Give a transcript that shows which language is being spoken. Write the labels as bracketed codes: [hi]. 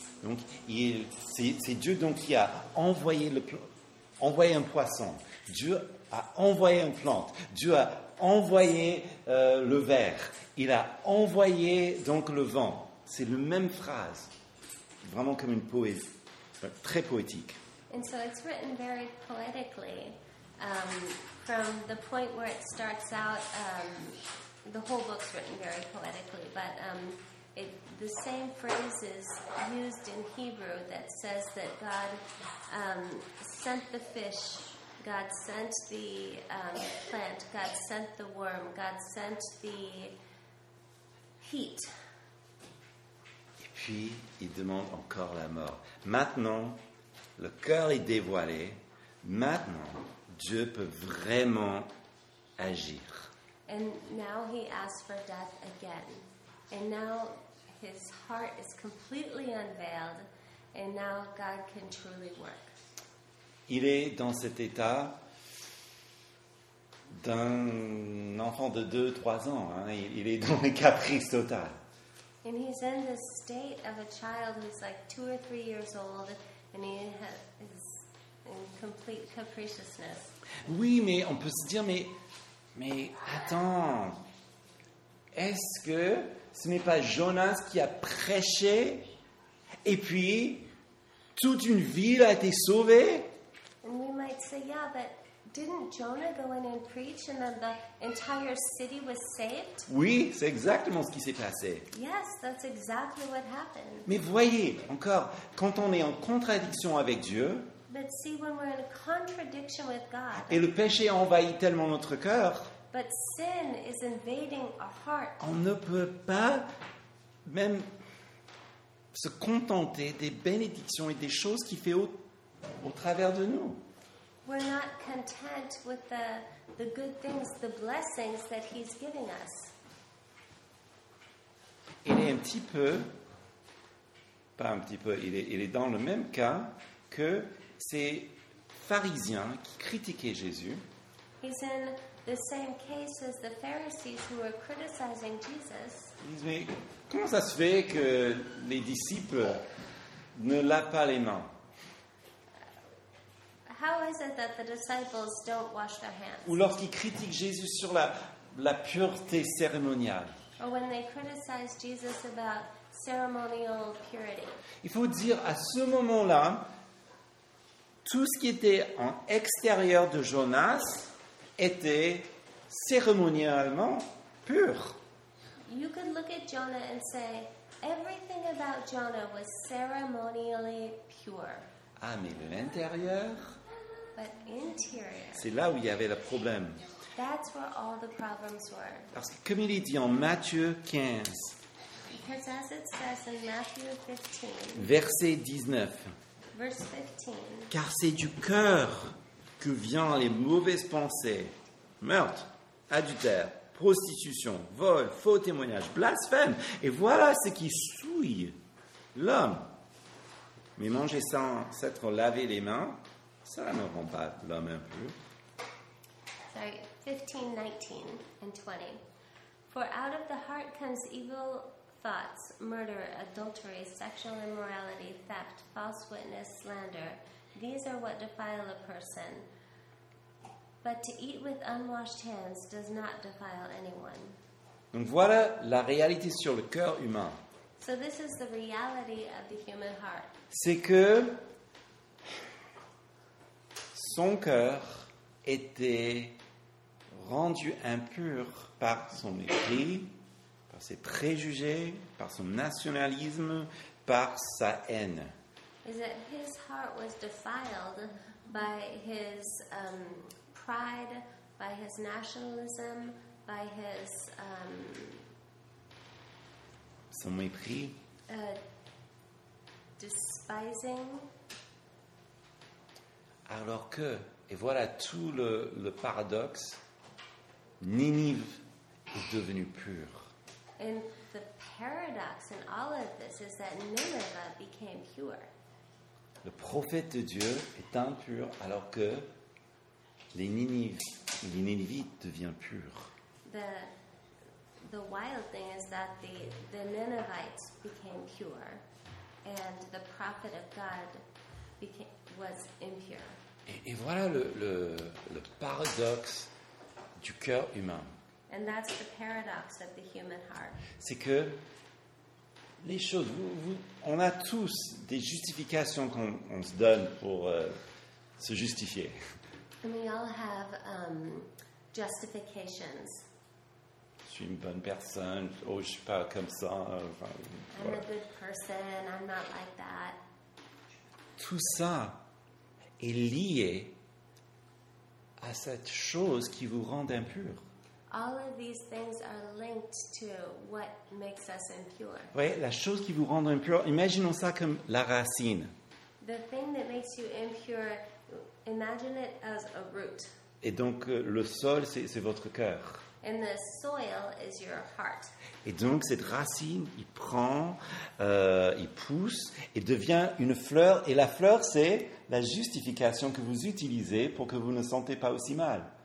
[fr] Donc, c'est Dieu donc qui a envoyé un poisson. Dieu a envoyé une plante. Dieu a envoyé le ver. Il a envoyé donc le vent. C'est la même phrase. Vraiment comme une poésie. Très poétique. [en] And so it's written very poetically. From the point where it starts out, the whole book's written very poetically, but the same phrase is used in Hebrew that says that God sent the fish, God sent the plant, God sent the worm, God sent the heat. [fr] Et puis, il demande encore la mort. Maintenant, le cœur est dévoilé. Maintenant, Dieu peut vraiment agir. [en] And now he asks for death again. And now his heart is completely unveiled, and now God can truly work. [fr] Il est dans cet état d'un enfant de 2-3 ans. Hein. Il est dans les caprices totales. [en] And he's in the state of a child who's like 2 or 3 years old, and he is in complete capriciousness. [fr] Oui, mais on peut se dire, mais attends, est-ce que ce n'est pas Jonas qui a prêché et puis toute une ville a été sauvée? [en] And we might say, yeah, but didn't Jonah go in and preach and then the entire city was saved? [fr] Oui, c'est exactement ce qui s'est passé. [en] Yes, that's exactly what happened. [fr] Mais voyez, encore, quand on est en contradiction avec Dieu, [en] but see, when we're in a contradiction with God, [fr] et le péché envahit tellement notre cœur, [en] but sin is invading our heart. [fr] On ne peut pas même se contenter des bénédictions et des choses qu'il fait au travers de nous. [en] We're not content with the good things, the blessings that he's giving us. [fr] Il est un petit peu, pas un petit peu, il est dans le même cas que ces pharisiens qui critiquaient Jésus. [en] He's in the same case as the Pharisees who were criticizing Jesus. [fr] Ils disent, comment ça se fait que les disciples ne lavent pas les mains? [en] How is it that the disciples don't wash their hands? [fr] Ou lorsqu'ils critiquent Jésus sur la pureté cérémoniale. [en] Or when they criticize Jesus about ceremonial purity. [fr] Il faut dire, à ce moment-là, tout ce qui était en extérieur de Jonas était cérémonialement pur. [en] You could look at Jonah and say everything about Jonah was ceremonially pure. [fr] Ah, mais l'intérieur. [en] But interior. [fr] C'est là où il y avait le problème. [en] That's where all the problems were. [fr] Parce que comme il est dit en Matthieu 15. [en] Because as it says in Matthew 15. [fr] Verset 19. [en] Verse 15. [fr] Car c'est du cœur que viennent les mauvaises pensées. Meurtre, adultère, prostitution, vol, faux témoignage, blasphème. Et voilà ce qui souille l'homme. Mais manger sans s'être lavé les mains, ça ne rend pas l'homme impur. [en] Sorry, 15, 19 and 20. For out of the heart comes evil thoughts, murder, adultery, sexual immorality, theft, false witness, slander. These are what defile a person. But to eat with unwashed hands does not defile anyone. [fr] Donc voilà la réalité sur le cœur humain. [en] So this is the reality of the human heart. [fr] C'est que son cœur était rendu impur par son mépris, par ses préjugés, par son nationalisme, par sa haine. [en] Is that his heart was defiled by his pride, by his nationalism, by his [fr] son mépris, [en] despising. [fr] Alors que, et voilà tout le paradoxe, Ninive est devenue pure. [en] And the paradox in all of this is that Nineveh became pure. [fr] Le prophète de Dieu est impur alors que les Ninivites deviennent purs. [en] The wild thing is that the Ninevites became pure and the prophet of God was impure. [fr] Et voilà le paradoxe du cœur humain. [en] And that's the paradox of the human heart. [fr] C'est que les choses, on a tous des justifications qu'on se donne pour se justifier. [en] And we all have justifications. [fr] Je suis une bonne personne, oh, je ne suis pas comme ça. Enfin, [en] I'm a good person, I'm not like that. [fr] Tout ça est lié à cette chose qui vous rend impur. [en] All of these things are linked to what makes us impure. [fr] Oui, la chose qui vous rend impur, imaginons ça comme la racine. [en] The thing that makes you impure, imagine it as a root. [fr] Et donc le sol, c'est votre cœur. [en] And the soil is your heart. [fr] Et donc cette racine, il prend, il pousse et devient une fleur. Et la fleur, c'est la justification que vous utilisez pour que vous ne sentez pas aussi mal.